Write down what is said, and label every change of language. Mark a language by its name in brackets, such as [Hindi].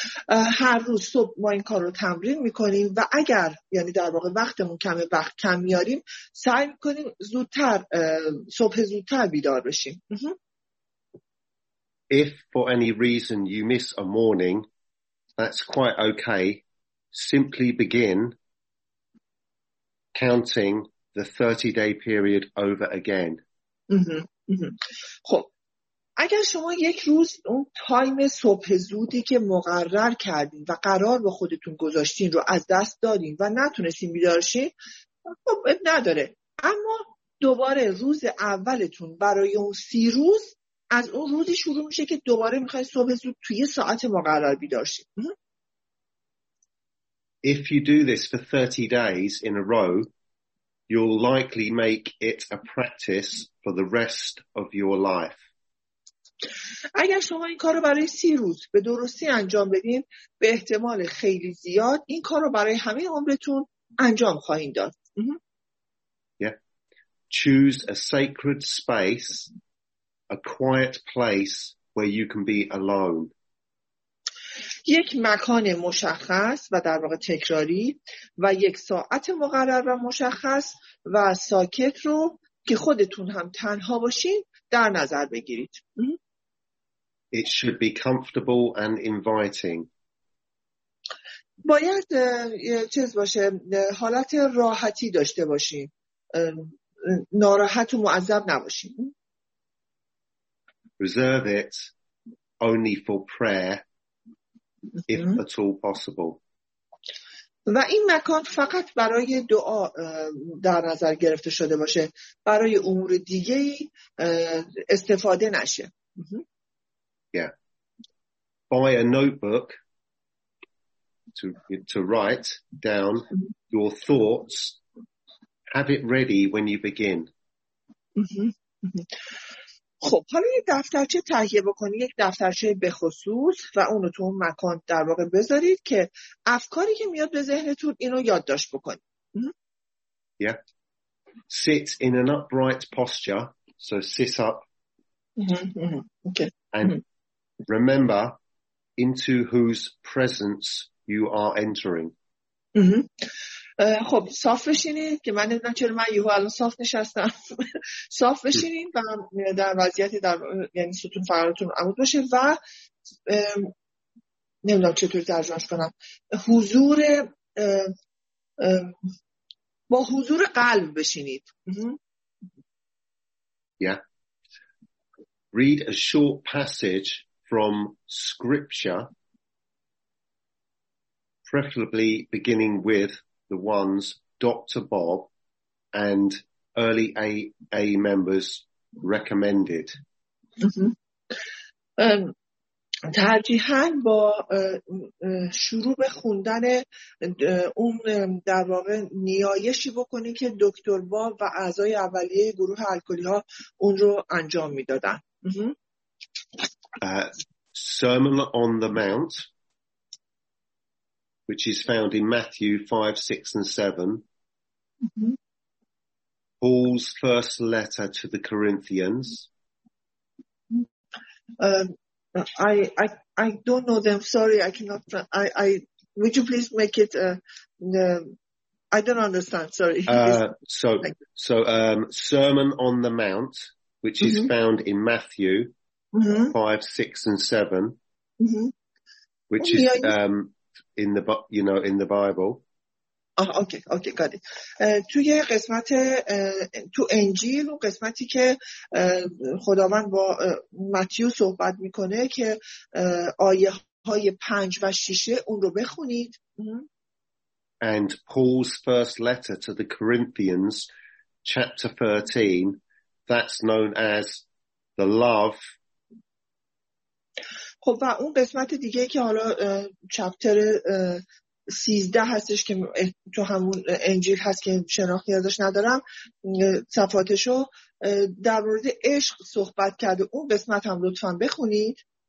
[Persian] هر روز صبح ما این کار رو تمرین میکنیم و اگر یعنی در واقع وقتمون کمه، وقت کم میاریم، سعی میکنیم زودتر صبح زودتر بیدار بشیم. [English] If for any reason you miss a morning, that's quite okay. Simply begin counting the 30-day period over again. [Persian] خب اگر شما یک روز اون تایم صبح زودی که مقرر کردین و قرار با خودتون گذاشتین رو از دست دادین و نتونستین بیدارشین، خب نداره. اما دوباره روز اولتون برای اون 30 روز از اون روزی شروع میشه که دوباره میخوای صبح زود توی ساعت مقرر بیدارشین. [English] If you do this for 30 days in a row, you'll likely make it a practice for the rest of your life. [Persian] اگر شما این کار رو برای 30 روز به درستی انجام بدین، به احتمال خیلی زیاد این کار رو برای همه عمرتون انجام خواهید داد. [English] Choose a sacred space, a quiet place where you can be alone. [Persian] یک مکان مشخص و در واقع تکراری و یک ساعت مقرر و مشخص و ساکت رو که خودتون هم تنها باشین در نظر بگیرید. [English] It should be comfortable and inviting. [Persian] باید چیز باشه، حالت راحتی داشته باشیم. ناراحت و معذب نباشیم. [English] Reserve it only for prayer if at all possible. [Persian] و این مکان فقط برای دعا در نظر گرفته شده باشه، برای امور دیگه استفاده نشه. [English] Yeah. Buy a notebook to write down your thoughts. Have it ready when you begin. [Persian] خب حالا یک دفترچه تهیه بکنید، یک دفترچه بخصوص، و اونو تو اون مکان در واقع بذارید که افکاری که میاد به ذهنتون اینو یادداشت بکنید. [English] Yeah. Sit in an upright posture. So sit up. Okay. And remember into whose presence you are entering. [Persian] خب صاف بشینید که من نمیدونم چرا من یهو الان صاف نشستم. صاف بشینید و در وضعیت در یعنی ستون فقراتون عمود باشه و نمیدونم چطوری ترجمه کنم، حضور با حضور قلب بشینید. [English] Yeah. Read a short passage from scripture, preferably beginning with the ones Dr. Bob and early AA members recommended. [Persian] ترجیحاً با شروع به خوندن اون در واقع نیایشی بکنید که دکتر باب و اعضای اولیه گروه الکلی‌ها اون رو انجام می‌دادن. [English] Sermon on the Mount, which is found in Matthew 5, 6, and 7. Paul's first letter to the Corinthians. I don't know them. Sorry, I cannot. I would you please make it? I don't understand. Sorry. Sermon on the Mount, which is found in Matthew 5, 6, and 7. Which is in the in the Bible. Okay, got it. [Persian] توی قسمت تو انجیل و قسمتی که خداوند با متیو صحبت میکنه که آیه های 5 و 6 اون رو بخونید. [English] And Paul's first letter to the Corinthians, chapter 13, that's known as the love. [Persian] خب و اون قسمت دیگه که حالا چپتر 13 هستش که تو همون انجیل هست که شناختی ازش ندارم، صفاتشو در مورد عشق صحبت کرده، اون قسمت هم لطفا بخونید.